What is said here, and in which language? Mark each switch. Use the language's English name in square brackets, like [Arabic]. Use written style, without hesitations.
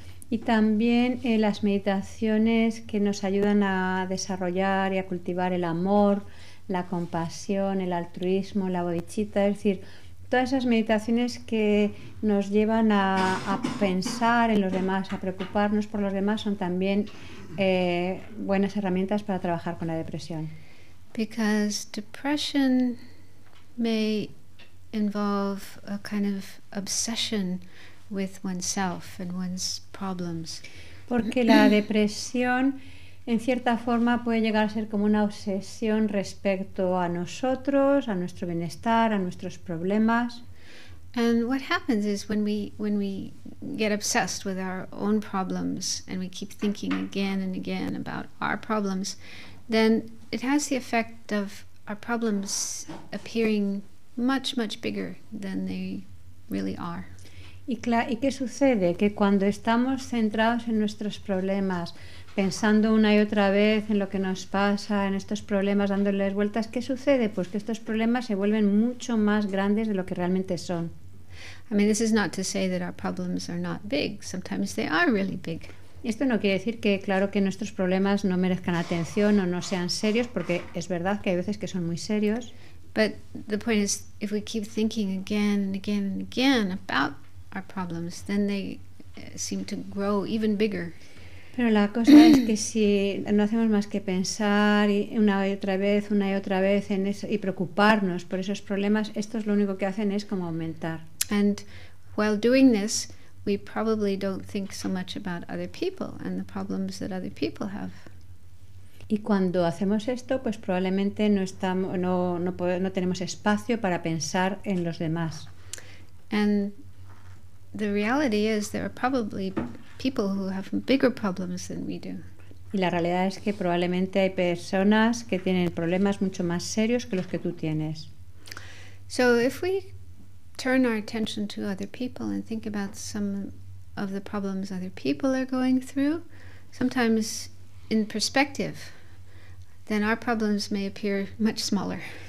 [Spanish] Y también las meditaciones que nos ayudan a desarrollar y a cultivar el amor, la compasión, el altruismo, la bodhicitta, es decir, todas esas meditaciones que nos llevan a pensar en los demás, a preocuparnos por los demás, son también buenas herramientas para trabajar con la depresión. [English] Because depression may involve a kind of obsession with oneself and one's problems. [Spanish] Porque la depresión en cierta forma puede llegar a ser como una obsesión respecto a nosotros, a nuestro bienestar, a nuestros problemas. [English] And what happens is when we get obsessed with our own problems and we keep thinking again and again about our problems, then it has the effect of our problems appearing much, much bigger than they really are. [Spanish] ¿Y qué sucede? Que cuando estamos centrados en nuestros problemas, pensando una y otra vez en lo que nos pasa, en estos problemas, dándoles vueltas, ¿qué sucede? Pues que estos problemas se vuelven mucho más grandes de lo que realmente son. [English] I mean, this is not to say that our problems are not big. Sometimes they are really big. [Spanish] Esto no quiere decir que, claro, que nuestros problemas no merezcan atención o no sean serios, porque es verdad que hay veces que son muy serios. [English] But the point is, if we keep thinking again and again and again about our problems, then they seem to grow even bigger. [Spanish] Pero la cosa es que si no hacemos más que pensar una y otra vez en eso y preocuparnos por esos problemas, esto es lo único que hacen es como aumentar. [English] And while doing this, we probably don't think so much about other people and the problems that other people have. [Spanish] Y cuando hacemos esto, pues probablemente no tenemos espacio para pensar en los demás. [English] And the reality is there are probably people who have bigger problems than we do. [Spanish] Y la realidad es que probablemente hay personas que tienen problemas mucho más serios que los que tú tienes. [English] So if we turn our attention to other people and think about some of the problems other people are going through, sometimes in perspective, then our problems may appear much smaller.